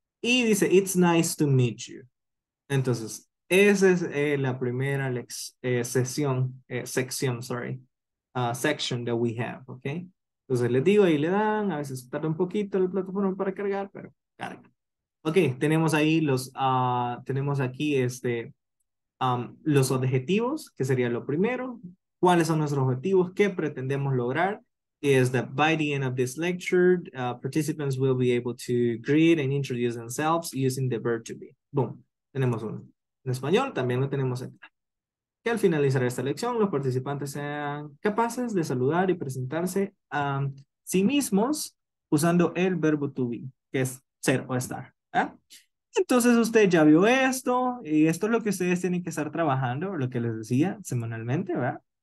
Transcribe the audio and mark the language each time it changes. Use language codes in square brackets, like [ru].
[es] Y dice, [en] it's nice to meet you. [es] Entonces, esa es la primera [en] section that we have, ¿ok? [es] Entonces les digo, ahí le dan, a veces tarda un poquito la plataforma para cargar, pero carga. Ok, tenemos ahí los, tenemos aquí los objetivos, que sería lo primero. ¿Cuáles son nuestros objetivos? ¿Qué pretendemos lograr? [en] Is that by the end of this lecture, participants will be able to greet and introduce themselves using the verb to be. [es] Boom, tenemos uno. En español también lo tenemos acá. Que al finalizar esta lección, los participantes sean capaces de saludar y presentarse a sí mismos usando el verbo to be, que es ser o estar. ¿Eh? Entonces usted ya vio esto, y esto es lo que ustedes tienen que estar trabajando, lo que les decía, semanalmente, ¿verdad?